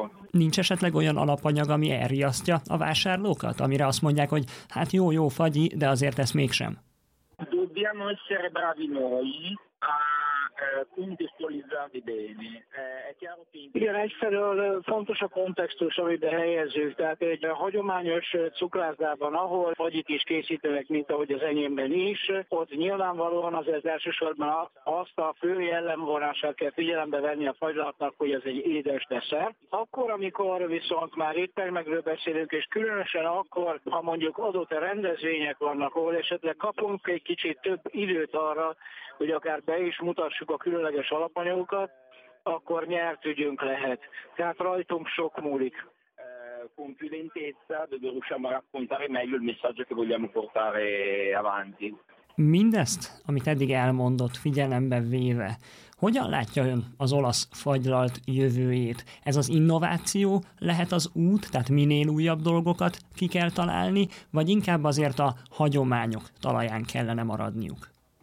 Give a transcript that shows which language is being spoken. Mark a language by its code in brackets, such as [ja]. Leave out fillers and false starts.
[hu] Nincs esetleg olyan alapanyag, ami elriasztja a vásárlókat, amire azt mondják, hogy hát jó fagyi, de azért ezt mégsem. [it] Dobbiamo essere bravi noi. industrializzati bene. È chiaro che... [hu] Igen, egyfelől fontos a kontextus, amiben helyezzük. Tehát egy hagyományos cukrászdában, ahol fagyit is készítenek, mint ahogy az enyémben is, ott nyilvánvalóan az elsősorban azt a fő jellemvonását kell figyelembe venni a fagylatnak, hogy ez egy édes desszert. Akkor, amikor viszont már éttermekről beszélünk, és különösen akkor, ha mondjuk adott rendezvények vannak, ahol esetleg kapunk egy kicsit több időt arra, hogy akár be is mutassuk a különleges alapanyagokat, akkor nyert ügyünk lehet. Tehát rajtunk sok múlik. [it] Con più lentezza, dove riusciamo a raccontare meglio il messaggio che vogliamo portare avanti. [hu] Mindezt, amit eddig elmondott, figyelembe véve, hogyan látja ön az olasz fagylalt jövőjét? Ez az innováció lehet az út, tehát minél újabb dolgokat ki kell találni, vagy inkább azért a hagyományok talaján kellene maradniuk?